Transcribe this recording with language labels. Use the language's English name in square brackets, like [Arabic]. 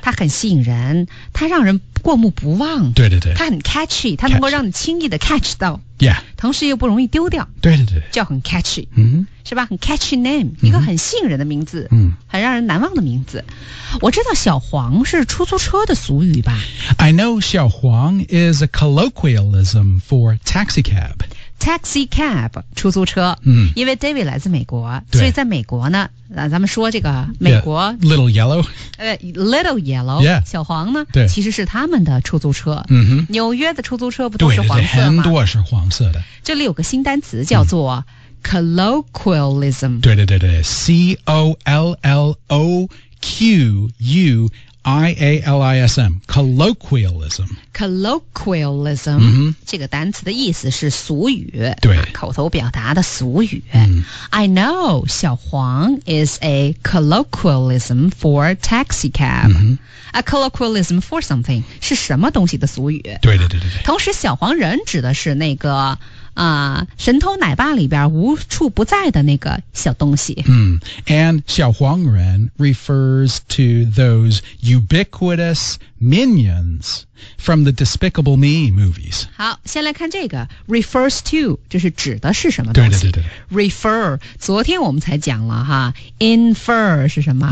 [Chinese] 它很吸引人它让人过目不忘对对对它很 catchy 它能够让你轻易的 catch 到 [English] yeah [Chinese] 同时又不容易丢掉对对对叫很 catchy、嗯、是吧很 [English] catchy name、 [Chinese] 嗯、一个很吸引人的名字、嗯、很让人难忘的名字我知道小黄是出租车的俗语吧 [English] I know 小黄 is a colloquialism for taxi cab Taxi cab 出租车、嗯、 [Chinese] 因为 David 来自美国所以在美国呢咱们说这个美国 [English] yeah, Little Yellow Little Yellow、 yeah. [Chinese] 小黄呢对其实是他们的出租车、 mm-hmm. 纽约的出租车不都是黄色吗对很多是黄色的这里有个新单词叫做、嗯、Colloquialism 对 C-O-L-L-O-Q-U-I-A-L-I-S-M Colloquialism [English] Colloquialism、 mm-hmm. [Chinese] 这个单词的意思是俗语对口头表达的俗语、嗯、 [English] I know 小黄 is a colloquialism for taxi cab、 mm-hmm. A colloquialism for something [Chinese] 是什么东西的俗语对同时小黄人指的是那个神偷奶爸里边无处不在的那个小东西。 [English] 嗯、and 小黄人 refers to those ubiquitous minions from the Despicable Me movies. [Chinese] 好先来看这个 [English] refers to [Chinese] 就是指的是什么东西。对 refer, 昨天我们才讲了哈 infer 是什么、